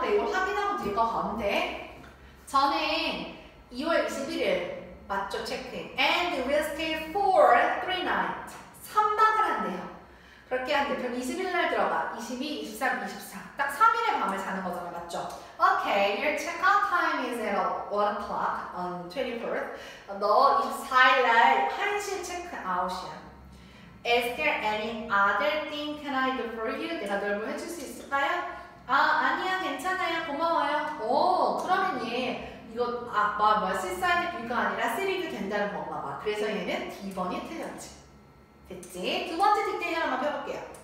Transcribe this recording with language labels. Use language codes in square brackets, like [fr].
[ko] 그러니까 이걸 확인하면 될 것 같은데. 저는 2월 21일 맞죠? 체크인. [en] And we'll stay for 3 nights. [ko] 3박을 한대요. 그렇게 한대. 그럼 21일 날 들어가. 22, 23, 24. 딱 3일의 밤을 자는 거잖아. 맞죠? [en] Okay, your check-out time is at 1 o'clock on 24th. [ko] 너 24일 날 1시에 체크아웃이야. [en] Is there any other thing can I do for you? [ko] 내가 널 뭐 해줄 수 있을까요? 아, 아니야, 괜찮아요. 고마워요. 오, 그러면 얘, 이거, 시사이드 뷰가 아니라 시리드 된다는 건가 봐. 그래서 얘는 D번이 틀렸지. 됐지? 두 번째 디테일 한번 펴볼게요.